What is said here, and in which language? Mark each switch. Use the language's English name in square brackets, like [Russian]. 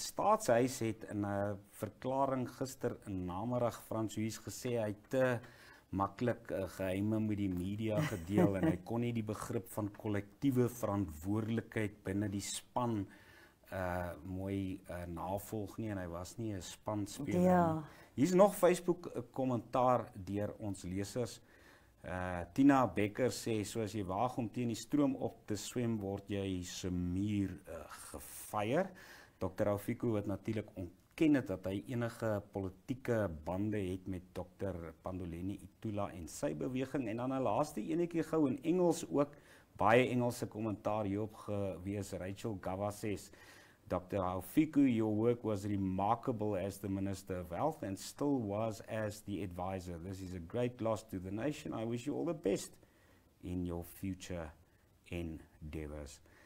[Afrikaans] Staatshuis het in 'n verklaring gister in namiddag Fransjoes gesê hy het te maklik geheime met die media gedeel en hy kon nie die begrip van kollektiewe verantwoordelikheid binne die span mooi navolg nie en hy was nie 'n spanspeler. Ja. Hier is nog Facebook kommentaar deur ons lesers. Tina Becker sê, soos jy waag om teen die stroom op te swem, word jy se muur gefeier. Dr. Oufiku het natuurlik ontken het dat hy enige politieke bande het met Dr. Pandoleni Itula en sy beweging. En dan 'n laaste enetjie gou in Engels ook, baie Engelse kommentaar hierop gewees. Rachel Gawa sê, Dr. [English] Oufiku, your work was remarkable as the Minister of Health and still was as the advisor. This is a great loss to the nation. I wish you all the best in your future endeavors.